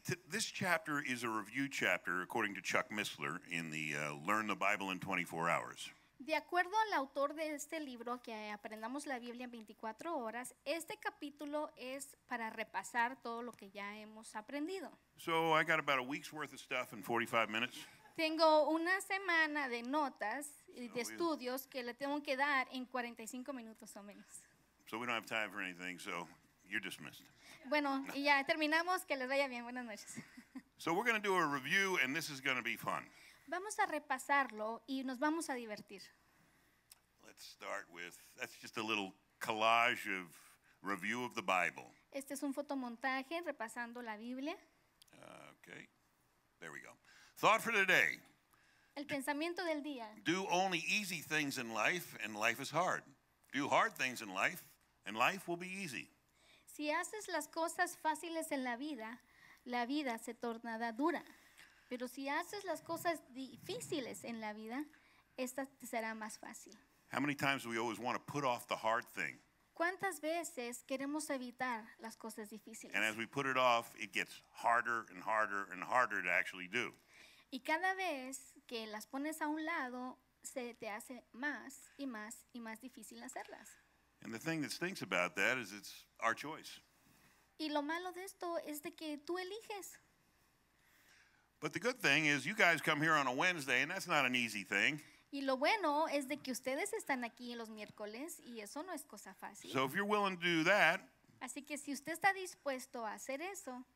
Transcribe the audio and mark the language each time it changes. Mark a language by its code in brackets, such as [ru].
[en] This chapter is a review chapter, according to Chuck Missler, in the Learn the Bible in 24 Hours. [es] De acuerdo al autor de este libro, que Aprendamos la Biblia en 24 horas, este capítulo es para repasar todo lo que ya hemos aprendido. [en] So I got about a week's worth of stuff in 45 minutes. [es] Tengo una semana de notas y de estudios que le tengo que dar en 45 minutos o menos. [en] So we don't have time for anything, so you're dismissed. [es] Bueno, y ya terminamos. Que les vaya bien. Buenas noches. [en] So we're going to do a review, and this is going to be fun. [es] Vamos a repasarlo y nos vamos a divertir. [en] Let's start with, that's just a little collage of review of the Bible. [es] Este es un fotomontaje repasando la Biblia. [en] Okay, there we go. Thought for today. [es] El pensamiento del día. [en] Do only easy things in life and life is hard. Do hard things in life and life will be easy. [es] Si haces las cosas fáciles en la vida se tornará dura. Pero si haces las cosas difíciles en la vida, esta te será más fácil. [en] How many times do we always want to put off the hard thing? [es] ¿Cuántas veces queremos evitar las cosas difíciles? [en] And as we put it off, it gets harder and harder and harder to actually do. [es] Y cada vez que las pones a un lado, se te hace más y más y más difícil hacerlas. [en] And the thing that stinks about that is it's our choice. [es] Y lo malo de esto es de que tú eliges. [en] But the good thing is you guys come here on a Wednesday, and that's not an easy thing. [es] Y lo bueno es de que ustedes están aquí los miércoles, y eso no es cosa fácil. [en] So if you're willing to do that, [es] así que si usted está dispuesto a hacer eso,